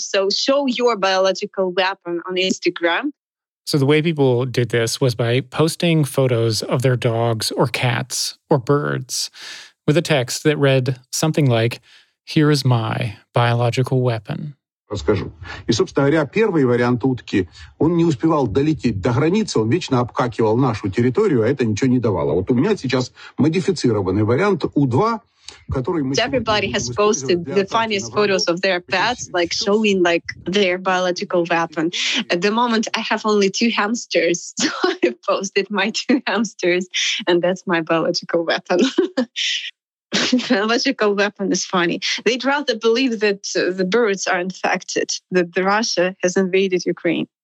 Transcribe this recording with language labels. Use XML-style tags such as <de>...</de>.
<en>So show your biological weapon on Instagram. So the way people did this was by posting photos of their dogs or cats or birds with a text that read something like, "Here is my biological weapon."</en> <ru>Расскажу. И, собственно говоря, первый вариант утки, он не успевал долететь до границы, он вечно обкакивал нашу территорию, а это ничего не давало. Вот у меня сейчас модифицированный вариант U2, который мы...</ru> <en>Everybody has posted the funniest photos of their pets, like showing like their biological weapon. At the moment, I have only two hamsters, so I posted my two hamsters, and that's my biological weapon. Biological weapon is funny. They'd rather believe that the birds are infected, that the Russia has invaded Ukraine.</en>